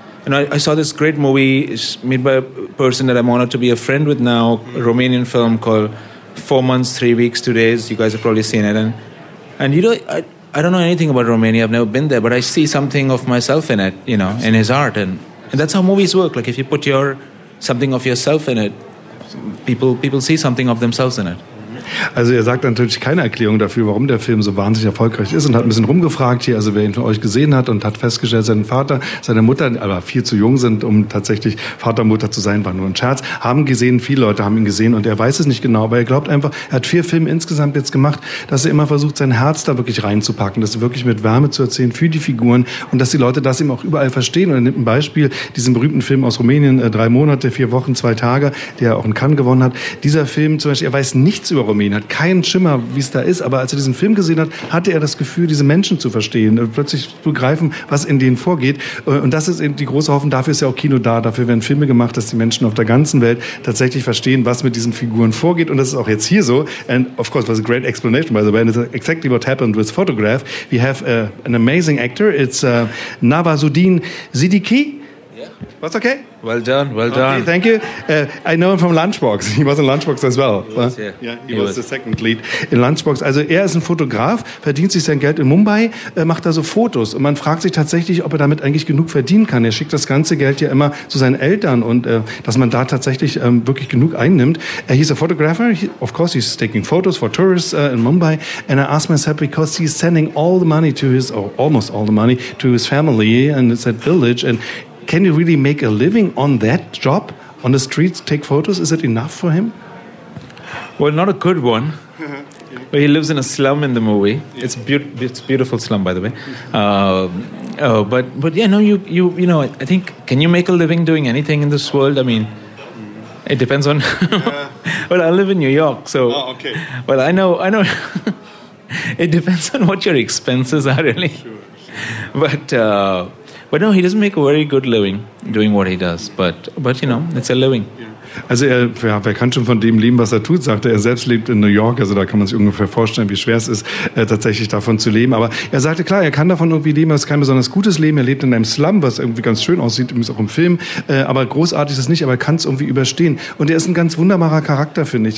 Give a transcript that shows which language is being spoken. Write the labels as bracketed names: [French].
[English] And I saw this great movie, it's made by a person that I'm honored to be a friend with now, a Romanian film called 4 months, 3 weeks, 2 days. You guys have probably seen it. And you know, I don't know anything about Romania. I've never been there, but I see something of myself in it, you know. Absolutely. In his art. And that's how movies work. Like, if you put something of yourself in it, people see something of themselves in it. [German] Also er sagt natürlich keine Erklärung dafür, warum der Film so wahnsinnig erfolgreich ist, und hat ein bisschen rumgefragt hier, also wer ihn von euch gesehen hat, und hat festgestellt, sein Vater, seine Mutter, aber viel zu jung sind, um tatsächlich Vater, Mutter zu sein, war nur ein Scherz, haben gesehen, viele Leute haben ihn gesehen, und er weiß es nicht genau, aber er glaubt einfach, er hat 4 Filme insgesamt jetzt gemacht, dass er immer versucht, sein Herz da wirklich reinzupacken, das wirklich mit Wärme zu erzählen für die Figuren und dass die Leute das eben auch überall verstehen. Und er nimmt ein Beispiel, diesen berühmten Film aus Rumänien, 3 Monate, 4 Wochen, 2 Tage, der auch in Cannes gewonnen hat. Dieser Film zum Beispiel, er weiß nichts über Rumänien, hat keinen Schimmer, wie es da ist, aber als er diesen Film gesehen hat, hatte er das Gefühl, diese Menschen zu verstehen, plötzlich zu begreifen, was in denen vorgeht. Und das ist eben die große Hoffnung, dafür ist ja auch Kino da, dafür werden Filme gemacht, dass die Menschen auf der ganzen Welt tatsächlich verstehen, was mit diesen Figuren vorgeht. Und das ist auch jetzt hier so. [English] And of course, it was a great explanation, by the way, and it's exactly what happened with Photograph. We have an amazing actor, it's Nawazuddin Siddiqui. Yeah. What's okay? Well done. Okay, thank you. I know him from Lunchbox. He was in Lunchbox as well. He was the second lead in Lunchbox. [German] Also er ist ein Fotograf, verdient sich sein Geld in Mumbai, macht da so Fotos. Und man fragt sich tatsächlich, ob er damit eigentlich genug verdienen kann. Er schickt das ganze Geld ja immer zu seinen Eltern, und dass man da tatsächlich wirklich genug einnimmt. [English] He's a photographer. He's taking photos for tourists in Mumbai. And I asked myself, because he's sending all the money to his, or almost all the money, to his family and it's that village, and can you really make a living on that job, on the streets, take photos? Is it enough for him? Well, not a good one. Yeah. But he lives in a slum in the movie. Yeah. It's beautiful slum, by the way. But yeah, no, you know, I think, can you make a living doing anything in this world? I mean, it depends on. Well, I live in New York, so. Oh, okay. Well, I know. It depends on what your expenses are, really. Sure. But But no, he doesn't make a very good living doing what he does. But you know, it's a living. [German] Also er, ja, wer kann schon von dem leben, was er tut, sagt er. Er selbst lebt in New York, also da kann man sich ungefähr vorstellen, wie schwer es ist, tatsächlich davon zu leben. Aber er sagte, klar, er kann davon irgendwie leben, aber es ist kein besonders gutes Leben. Er lebt in einem Slum, was irgendwie ganz schön aussieht, übrigens auch im Film. Aber großartig ist es nicht, aber er kann es irgendwie überstehen. Und er ist ein ganz wunderbarer Charakter, finde ich.